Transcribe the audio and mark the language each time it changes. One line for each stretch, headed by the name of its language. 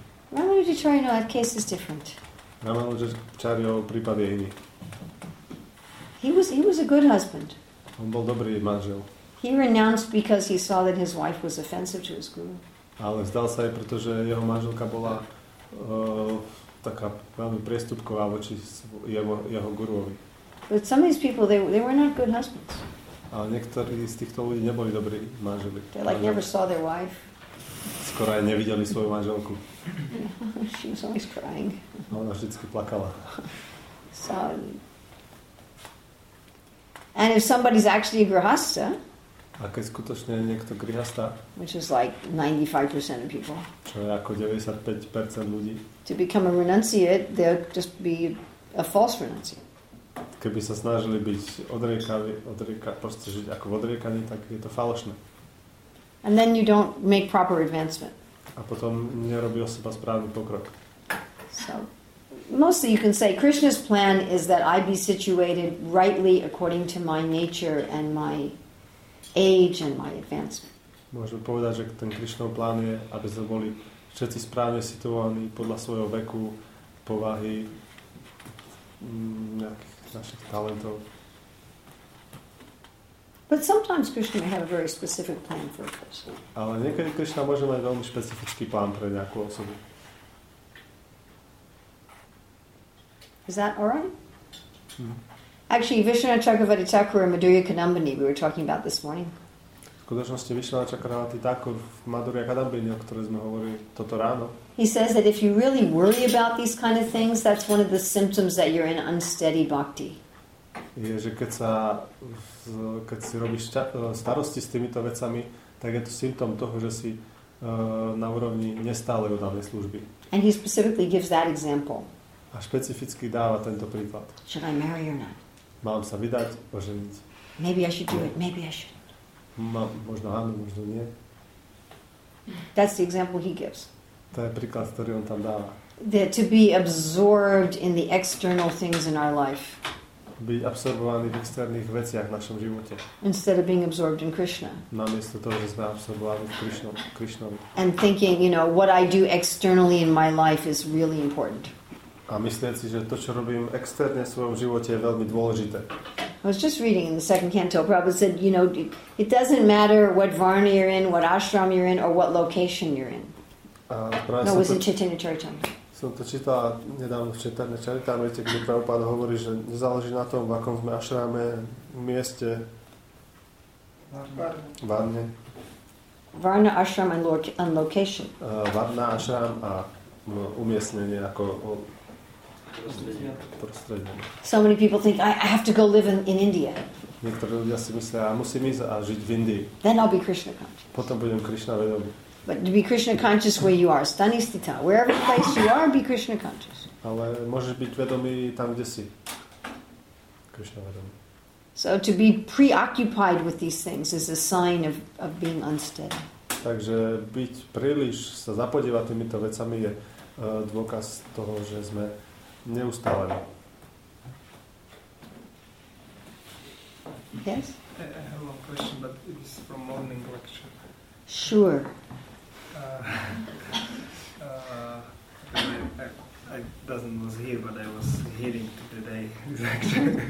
English: Ramanujacharya, no, that case is different.
Slovak: Ramanujacharya, prípad je iný.
English: He was a good husband.
Slovak: On bol dobrý manžel.
English: He renounced because he saw that his wife was offensive to his guru.
Slovak: Ale vzdal sa aj, pretože jeho manželka bola taká veľmi priestupková voči jeho guruovi.
English: But some of these people, they were not good husbands.
Slovak: Ale niektorí z týchto ľudí neboli dobrí manželi.
English: They like never saw their wife.
Slovak: Skoro aj nevideli svoju manželku.
English: She was always crying.
Slovak: A ona vždycky plakala.
English: So, and if somebody's actually a grihastha,
Slovak: a keď skutočne niekto grihastha,
English: which is like 95% of people,
Slovak: čo je ako 95% ľudí,
English: to become a renunciate, they'll just be a false renunciate.
Slovak: Keby sa snažili byť proste žiť ako v odriekaní, tak je to falošné.
English: And then you don't make proper advancement.
Slovak: A potom nerobí o seba správny pokrok.
English: So, mostly you can say Krishna's plan is that I be situated rightly according to my nature and my age and my advancement.
Slovak: Môžeme povedať, že ten Krishnov plán je, aby sme boli všetci správne situovaní podľa svojho veku, povahy, nejakých našich talentov.
English: But sometimes Krishna may have a very specific plan for a person.
Slovak: Ale niekedy Krishna môže mať veľmi špecifický plán pre nejakú osobu.
English: Is that all right? Mm-hmm. Actually, Vishnu Chakravarti Thakur and Madhurya Kadambini, we were talking about this morning.
Slovak: V skutočnosti Vishnu Chakravarti Thakur v Madhurya Kadambini, o ktorej sme hovorili toto ráno.
English: He says that if you really worry about these kind of things, that's one of the symptoms that you're in unsteady bhakti.
Slovak: Je, že keď si robíš starosti s týmito vecami, tak je to symptom toho, že si na úrovni nestálej oddanej služby.
English: And he specifically gives that example.
Slovak: A špecificky dáva tento príklad.
English: Should I marry or not?
Slovak: Mám sa vydať, oženiť?
English: Maybe I should do it, maybe I shouldn't.
Slovak: Možno áno, možno nie.
English: That's the example he gives.
Slovak: To je príklad, ktorý on tam dáva.
English: That to be absorbed in the external things in our life.
Slovak: Byť absorbovaný v externých veciach v našom živote.
English: Instead of being absorbed in Krishna.
Slovak: Namiesto toho, že sme absorbovaní v Krishnovi.
English: And thinking, you know, what I do externally in my life is really important.
Slovak: A myslieť si, že to, čo robím externe v svojom živote, je veľmi dôležité.
English: I was just reading in the second canto, Prabhupada said, you know, it doesn't matter what varna you're in, what ashram you're in, or what location you're in. No, it was in Chaitanya Charitamrita.
Slovak: Som to čítal nedávno v Chaitanya Charitamrite, kde Prabhupada hovorí, že nezáleží na tom, v akom sme ašráme, mieste, varne.
English: Varna, ashram and location.
Slovak: Varna, ashram a umiestnenie ako prostredie.
English: So many people think, I have to go live in India.
Slovak: Niektorí ľudia si myslia, ja musím ísť a žiť v Indii.
English: Then I'll be Krishna conscious.
Slovak: Potom budem Krishna vedomý.
English: But to be Krishna conscious where you are, stanisthita, wherever place you are, be Krishna conscious.
Slovak: Ale môžeš byť vedomý tam, kde si. Krishna vedomý.
English: So to be preoccupied with these things is a sign of being unsteady.
Slovak: Takže byť príliš sa zapodievať týmito vecami je dôkaz toho, že sme neustáleni.
English: Yes? Hello, question, but it's from morning lecture. Sure. I doesn't was here, but I was hearing today.